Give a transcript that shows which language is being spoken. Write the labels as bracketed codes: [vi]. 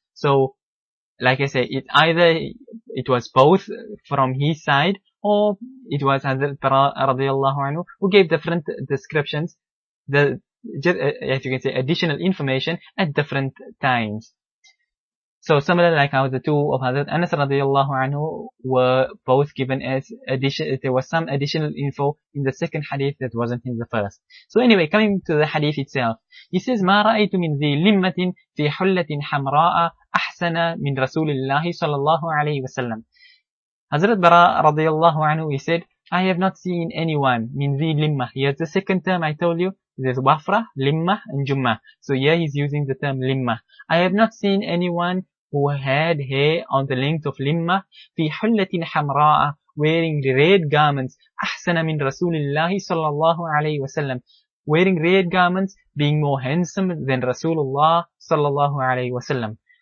[en] So, like I say, it either it was both from his side, or it was Hazrat Bara radiallahu anhu who gave different descriptions, as you can say, additional information at different times. So similar like how the two of Hazrat Anas radiallahu anhu were both given as addition, there was some additional info in the second hadith that wasn't in the first. So anyway, coming to the hadith itself, he says, [ar] ما رأيت من ذي لمة في حلة حمراء أحسن من رسول الله صلى الله عليه وسلم. [en] Hazrat Bara radiallahu anhu, he said, I have not seen anyone [ar] من ذي لمة. [en] Here's the second term I told you. There's wafra, limmah, and jummah. So here he's using the term limmah. I have not seen anyone who had hair on the length of [ar] limmah fi hullatin hamra'a, [en] wearing red garments, [ar] ahsana min rasulillahi sallallahu alayhi wasallam, [en] wearing red garments, being more handsome than rasulullah sallallahu alayhi wasallam.